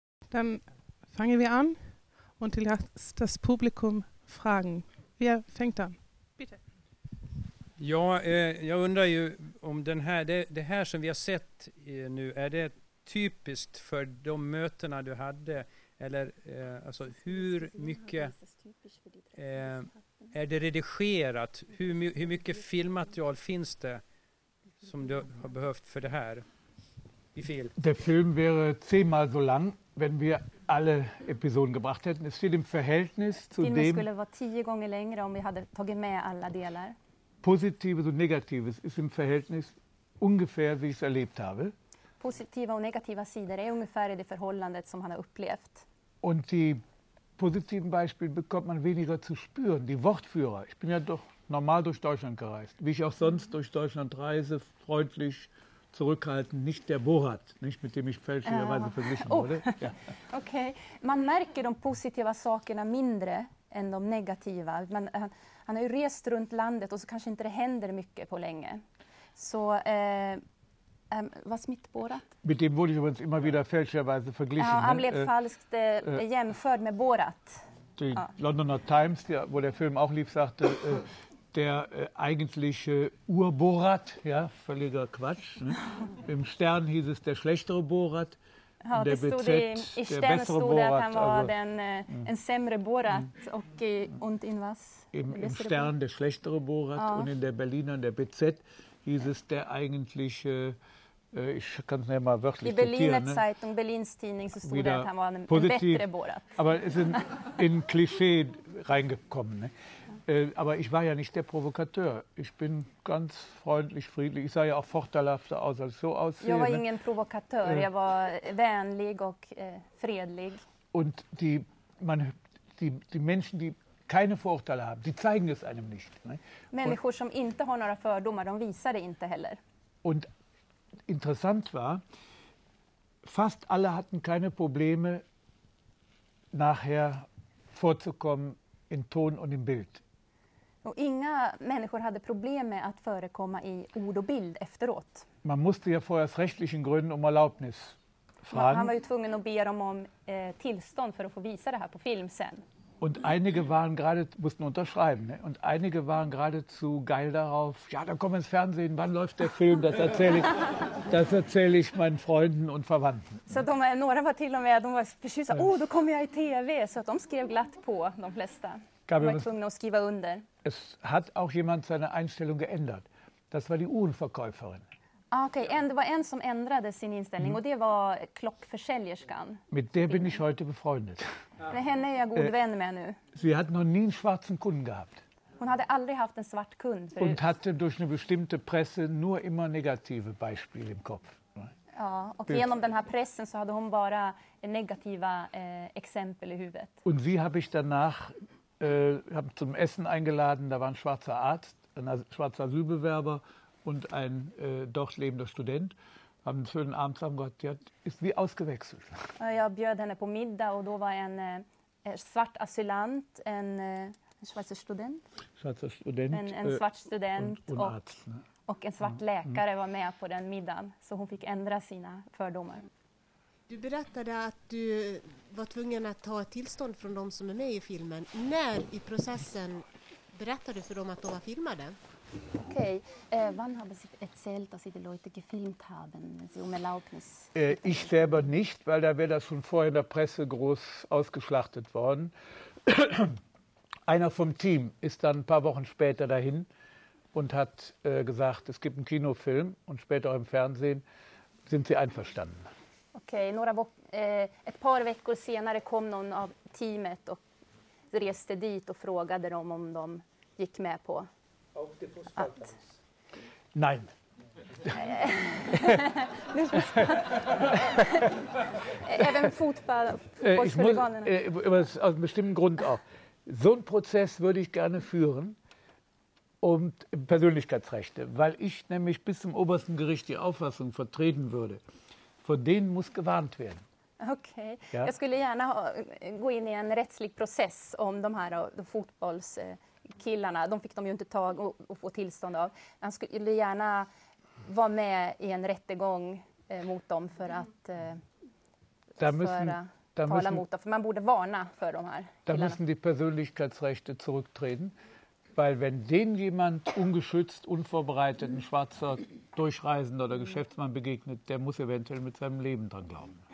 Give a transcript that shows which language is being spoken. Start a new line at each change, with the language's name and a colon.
German: Dann fangen wir an und ich lasse das Publikum fragen. Wer fängt an? Bitte.
Swedish: Ja, jag undrar ju om den här, det här som vi har sett nu, är det typiskt för de mötena du hade? Eller alltså, hur mycket är det redigerat? Hur mycket filmmaterial finns det som du har behövt för det här?
German: Der Film wäre 10-mal so lang, wenn wir alle Episoden gebracht hätten. Es steht im Verhältnis zu dem.
Swedish: Filmen skulle vara 10 gånger längre om vi hade tagit med alla delar.
German: Positives und Negatives ist im Verhältnis ungefähr, wie ich es erlebt habe.
Swedish: Positiva och negativa sidor är ungefär det förhållandet som han har upplevt.
German: Und die positiven Beispiele bekommt man weniger zu spüren. Die Wortführer. Ich bin ja doch normal durch Deutschland gereist, wie ich auch sonst durch Deutschland reise, freundlich. Zurückhalten, nicht der Borat, nicht mit dem ich fälschlicherweise verglichen wurde.
Swedish: Ja. Okay, man märker de positiva sakerna mindre än de negativa. Han har ju rest runt landet och så kanske inte det händer mycket på länge.
German: Så, was mit Borat? Mit dem wurde ich übrigens immer wieder fälschlicherweise verglichen.
Swedish: Ja, han blev falskt jämförd med Borat.
German: Die Londoner Times, wo der Film auch lief, sagte... Der eigentliche Ur-Borat, ja, völliger Quatsch. Ne? Im Stern hieß es der schlechtere Borat. Ja, der BZ, der Stern bessere Borat. Der Stern
Swedish: stod det, han
German: war ein sämre Borat. Okay. Und in was? Im Stern der schlechtere Borat. Ja. Und in der Berliner, der BZ, hieß es der eigentliche, ich kann es nicht mal wörtlich
Swedish: zitieren. Die Berliner Zeitung, Berlins Tidning, so stod det, han war ein
German: positiv, bessere Borat. Aber es ist in Klischee reingekommen, ne? Aber ich war ja nicht der Provokateur. Ich bin ganz freundlich, friedlich. Ich sah ja auch vorteilhafter aus, als ich so aussehe. Ich war kein Provokateur. Ich war vänlig und friedlich. Und die Menschen, die keine Vorurteile haben, die zeigen es einem nicht. Ne?
Swedish: Människor som inte har några fördomar, de visar det inte heller.
German: Und interessant war, fast alle hatten keine Probleme, nachher vorzukommen in Ton und im Bild.
Swedish: Och inga människor hade problem med att förekomma i ord och bild efteråt. Man måste ju förras rättsliga grunden om
German: erlaubnis fragen.
Swedish: Han var ju tvungen att be dem om tillstånd för att få visa det här på film sen.
German: Und einige waren gerade mussten unterschreiben, ne? Und einige waren geradezu geil darauf. Ja, dann kommen ins Fernsehen, wann läuft der Film? Das erzähle ich meinen Freunden und Verwandten.
Swedish: Så de var några var till och med, de var precis så, "Åh, då kommer jag i TV", så att de skrev glatt på de flesta. Man war tvungen att skriva under.
German: Es hat auch jemand seine Einstellung geändert. Das war die Uhrenverkäuferin.
Swedish: Okay,
German: und war
Swedish: en som ändrade sin inställning och det var klockförsäljerskan.
German: Mit der bin ich heute befreundet.
Swedish: Med henne är jag god vän med nu.
German: Sie hat noch nie einen schwarzen Kunden gehabt.
Swedish: Hon hade aldrig haft en svart kund förut.
German: Und hatte durch eine bestimmte Presse nur immer negative Beispiele im Kopf.
Swedish: Ja, och genom den här pressen så hade hon bara negativa exempel i huvudet.
German: Und sie habe ich danach habe zum Essen eingeladen, da war ein schwarzer Arzt, ein schwarzer Asylbewerber und ein dort lebender Student. Haben einen schönen Abend zusammen gehabt, die ist wie ausgewechselt.
Swedish: Jag bjöd henne på middag och då
German: war ein schwarzer Asylant, ein schwarzer Student. Schwarzer Student. Ein schwarzer Student. Und Arzt. Ne?
Swedish: Och en svart läkare var med på den middagen, så hon fick ändra sina fördomar. Du berättade att du var tvungen att ta tillstånd från de som är med i filmen. När i processen berättade du för dem att de var filmade? Okej.
German: Wann haben Sie erzählt, dass Sie die Leute gefilmt haben? Sie um Erlaubnis? Ich selber nicht, weil da wäre das schon vorher in der Presse groß ausgeschlachtet worden. Einer vom Team ist dann ein paar Wochen später dahin und hat gesagt, es gibt einen Kinofilm und später auch im Fernsehen. Sind Sie einverstanden?
Swedish: Okej, några ett par veckor senare kom någon av teamet och reste dit och frågade dem om de gick med på att... Nej. Även fotbollshuliganerna.
German: Av en bestimmt grund auch. So ein Prozess würde ich gerne führen. Und Persönlichkeitsrechte. Weil ich nämlich bis zum obersten Gericht die Auffassung vertreten würde. Von denen muss gewarnt werden.
Swedish: Okej. Okay. Ja. Jag skulle gärna gå in i en rättslig process om de här fotbollskillarna. De fick de ju inte tag och få tillstånd av. Jag skulle gärna vara med i en rättegång mot dem för att tala mot dem. För man borde varna för de här killarna.
German: Da müssen die Persönlichkeitsrechte zurücktreten. Weil wenn den jemand ungeschützt, unvorbereitet, ein schwarzer Durchreisender oder Geschäftsmann begegnet, der muss eventuell mit seinem Leben dran glauben.